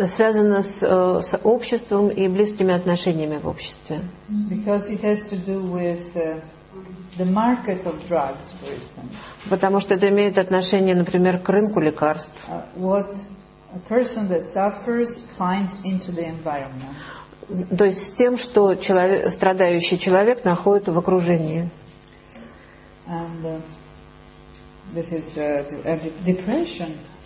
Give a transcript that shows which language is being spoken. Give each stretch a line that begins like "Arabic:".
Russian: Связано с обществом и близкими отношениями в обществе.
English: Because it has to do with the market of drugs, for instance.
Russian: Потому что это имеет отношение, например, к рынку лекарств.
English: What a person that suffers finds into the environment.
Russian: То есть с тем, что человек, страдающий человек находит в окружении.
English: And, this is a depression.